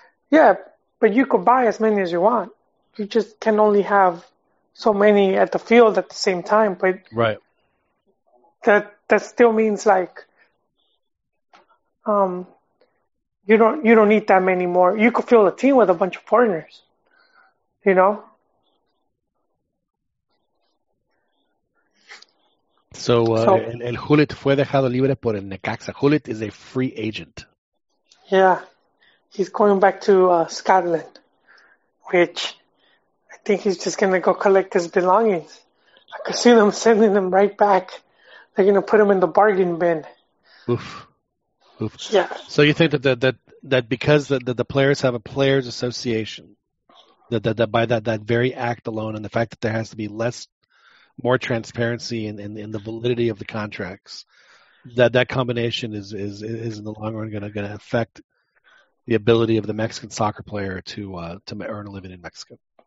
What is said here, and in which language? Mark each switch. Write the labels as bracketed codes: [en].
[en] Yeah, but you could buy as many as you want. You just can only have so many at the field at the same time. But right. That still means like you don't need that many more. You could fill a team with a bunch of foreigners, you know? [es] El Hulit fue dejado libre por el Necaxa. [en] Hulit is a free agent. Yeah. He's going back to Scotland, which I think he's just going to go collect his belongings. I could see them sending him right back. They're going to put him in the bargain bin. Oof. Oof. Yeah. So you think that because the players have a players association, that by that very act alone, and the fact that there has to be more transparency in the validity of the contracts, that combination is in the long run going to affect the ability of the Mexican soccer player to earn a living in Mexico?